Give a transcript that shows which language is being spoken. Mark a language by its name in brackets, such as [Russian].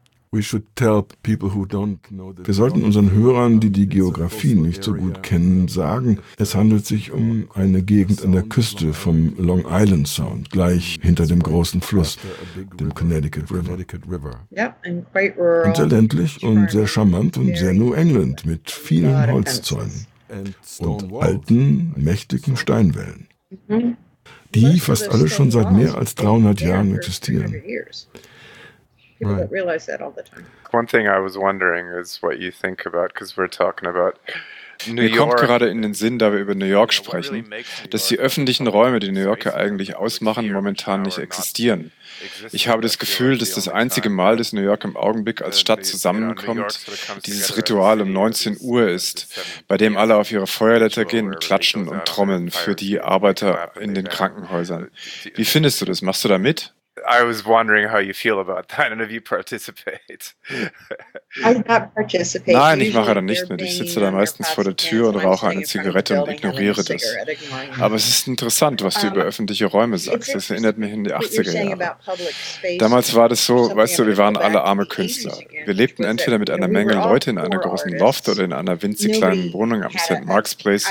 [English] We should tell people who don't know [German] Wir sollten unseren Hörern, die die Geografie nicht so gut kennen, sagen, es handelt sich um eine Gegend an der Küste vom Long Island Sound, gleich hinter dem großen Fluss, dem Connecticut River. Und sehr ländlich und sehr charmant und sehr New England mit vielen Holzzäunen und alten, mächtigen Steinwällen, die fast alle schon seit mehr als 300 Jahren existieren. [English] People right. Don't realize that all the time. One thing I was wondering is what you think about, because we're talking about [German] New York. Mir kommt gerade in den Sinn, da wir über New York sprechen, dass die öffentlichen Räume, die New Yorker eigentlich ausmachen, momentan nicht existieren. Ich habe das Gefühl, dass das einzige Mal, dass New York im Augenblick als Stadt zusammenkommt, dieses Ritual um 19 Uhr ist, bei dem alle auf ihre Feuerleiter gehen, klatschen und trommeln für die Arbeiter in den Krankenhäusern. Wie findest du das? Machst du da mit? [English] I was wondering how you feel about that and if you participate. I'm not participating. [German] Nein, ich mache da nicht mit. Ich sitze da meistens vor der Tür und rauche eine Zigarette und ignoriere das. Aber es ist interessant, was du über öffentliche Räume sagst. Das erinnert mich an die 80er Jahre. Damals war das so, weißt du, wir waren alle arme Künstler. Wir lebten entweder mit einer Menge Leute in einer großen Loft oder in einer winzig kleinen Wohnung am St. Mark's Place.